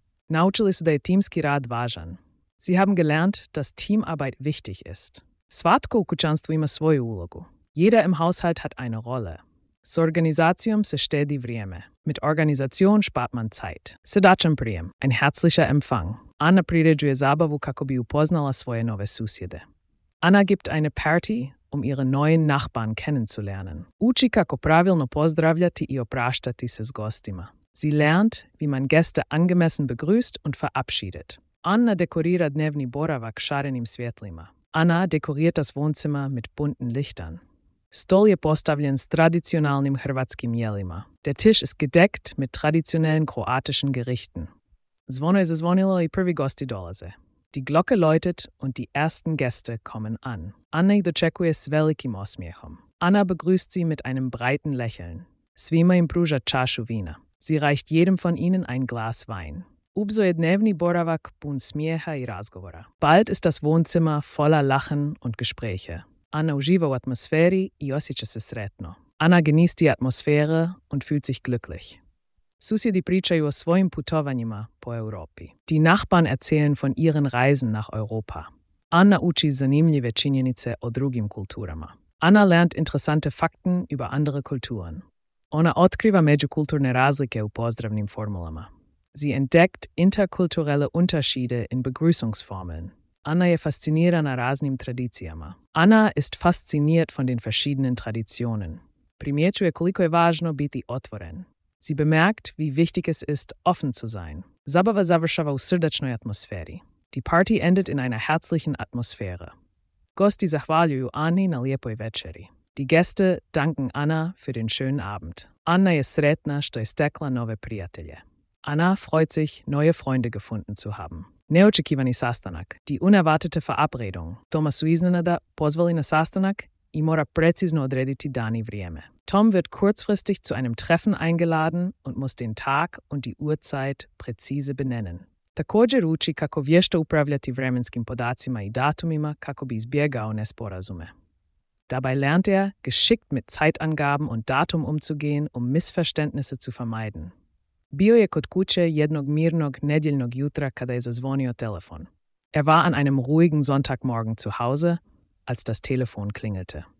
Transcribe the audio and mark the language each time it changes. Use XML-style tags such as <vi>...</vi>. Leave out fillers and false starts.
<hr>Naučili su da je timski rad važan.</hr> <de>Sie haben gelernt, dass Teamarbeit wichtig ist.</de> <hr>Svatko u kućanstvu ima svoju ulogu.</hr> <de>Jeder im Haushalt hat eine Rolle.</de> <hr>S organizacijom se štedi vrijeme.</hr> <de>Mit Organisation spart man Zeit.</de> <hr>Sedačan prijem.</hr> <de>Ein herzlicher Empfang.</de> <hr>Anna priređuje zabavu kako bi upoznala svoje nove susjede.</hr> <de>Anna gibt eine Party, um ihre neuen Nachbarn kennenzulernen.</de> <hr>Uči kako pravilno pozdravljati i opraštati se s gostima.</hr> <de>Sie lernt, wie man Gäste angemessen begrüßt und verabschiedet.</de> <hr>Anna dekorira dnevni boravak šarenim svjetlima.</hr> <de>Anna dekoriert das Wohnzimmer mit bunten Lichtern.</de> <hr>Stol je postavljen s tradicionalnim hrvatskim jelima.</hr> <de>Der Tisch ist gedeckt mit traditionellen kroatischen Gerichten.</de> <hr>Zvono je zazvonilo i prvi gosti dolaze.</hr> <de>Die Glocke läutet und die ersten Gäste kommen an.</de> <hr>Anna dočekuje s velikim osmiehom.</hr> <de>Anna begrüßt sie mit einem breiten Lächeln.</de> <hr>Svima im pruža čašu vina.</hr> <de>Sie reicht jedem von ihnen ein Glas Wein.</de> <hr>Ubzo je dnevni boravak pun smijeha i razgovora.</hr> <de>Bald ist das Wohnzimmer voller Lachen und Gespräche.</de> <hr>Anna uživa u atmosferi i osjeća se sretno.</hr> <de>Anna genießt die Atmosphäre und fühlt sich glücklich.</de> <hr>Susjedi pričaju o svojim putovanjima po Europi.</hr> <de>Die Nachbarn erzählen von ihren Reisen nach Europa.</de> <hr>Anna uči zanimljive činjenice o drugim kulturama.</hr> <de>Anna lernt interessante Fakten über andere Kulturen.</de> <hr>Ona otkriva međukulturne razlike u pozdravnim formulama.</hr> <de>Sie entdeckt interkulturelle Unterschiede in Begrüßungsformeln.</de> <hr>Anna je fascinirana raznim tradicijama.</hr> <de>Anna ist fasziniert von den verschiedenen Traditionen.</de> <hr>Primjećuje koliko je važno biti otvoren.</hr> <de>Sie bemerkt, wie wichtig es ist, offen zu sein.</de> <hr>Zabava završava u srdačnoj atmosferi.</hr> <de>Die Party endet in einer herzlichen Atmosphäre.</de> <hr>Gosti zahvaljuju Ani na lijepoj večeri.</hr> <de>Die Gäste danken Anna für den schönen Abend.</de> <hr>Anna je sretna što je stekla nove prijatelje.</hr> <de>Anna freut sich, neue Freunde gefunden zu haben.</de> <hr>Neočekivani sastanak,</hr> <de>die unerwartete Verabredung.</de> <hr>Toma su iznenada pozvali na sastanak i mora precizno odrediti dan i vrijeme.</hr> <de>Tom wird kurzfristig zu einem Treffen eingeladen und muss den Tag und die Uhrzeit präzise benennen.</de> <hr>Također uči kako vješto upravljati vremenskim podacima i datumima kako bi izbjegao nesporazume.</hr> <de>Dabei lernt er, geschickt mit Zeitangaben und Datum umzugehen, um Missverständnisse zu vermeiden.</de> <hr>Bio je kod kuće jednog mirnog nedjeljnog jutra kada je zazvonio telefon.</hr> <de>Er war an einem ruhigen Sonntagmorgen zu Hause, als das Telefon klingelte.</de>